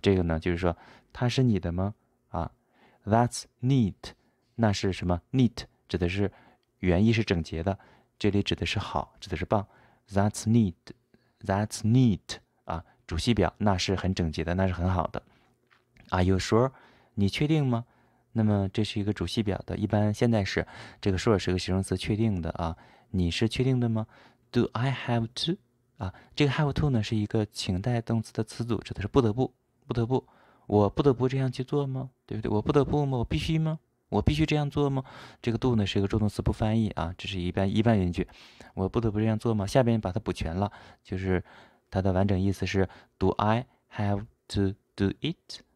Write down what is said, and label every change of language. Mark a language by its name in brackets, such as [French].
[Chinese] 这个呢，就是说它是你的吗？啊， [English] That's neat， [Chinese] 那是什么？Neat 指的是原意是整洁的，这里指的是好，指的是棒。 [English] That's neat， [Chinese] That's neat 啊，主系表，那是很整洁的，那是很好的。 [English] Are you sure？ [Chinese] 你确定吗？那么这是一个主系表的，一般现在时，这个 sure 是个形容词，确定的啊。你是确定的吗？ [English] Do I have to？ [Chinese] 啊，这个 have to 呢是一个情态动词的词组，指的是不得不，不得不，我不得不这样去做吗？对不对？我不得不吗？我必须吗？我必须这样做吗？这个 do 呢是一个助动词，不翻译啊，这是一般原句。我不得不这样做吗？下边把它补全了，就是它的完整意思是 [English] Do I have to do it？